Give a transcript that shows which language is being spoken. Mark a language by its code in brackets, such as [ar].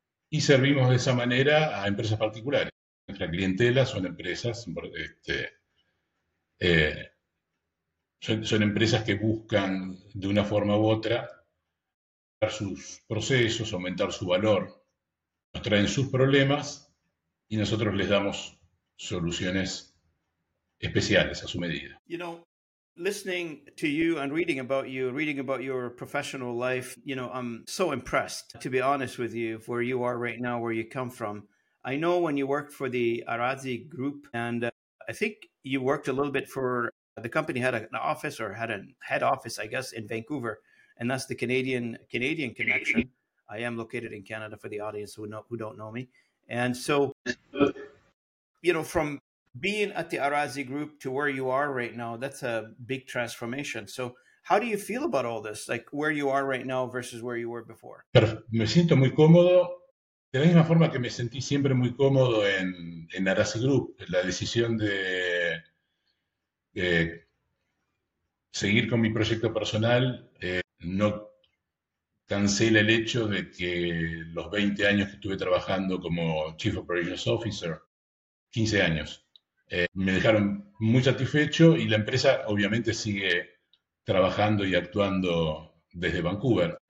[es] Y servimos de esa manera a empresas particulares. Nuestra clientela son empresas, son empresas que buscan de una forma u otra aumentar sus procesos, aumentar su valor. Nos traen sus problemas y nosotros les damos soluciones especiales a su medida. [en] You know, listening to you and reading about your professional life, you know, I'm so impressed, to be honest with you, where you are right now, where you come from. I know when you worked for the Arazi Group, and I think you worked a little bit for, the company had an office or had a head office, I guess, in Vancouver, and that's the Canadian connection. I am located in Canada for the audience who don't know me. And so, you know, from being at the Arazi Group to where you are right now, that's a big transformation. So how do you feel about all this, like where you are right now versus where you were before? [es] Me siento muy cómodo. De la misma forma que me sentí siempre muy cómodo en Arazi Group, la decisión de seguir con mi proyecto personal no cancela el hecho de que los 20 años que estuve trabajando como [en] Chief Operations Officer, [es] 15 años, me dejaron muy satisfecho, y la empresa obviamente sigue trabajando y actuando desde Vancouver.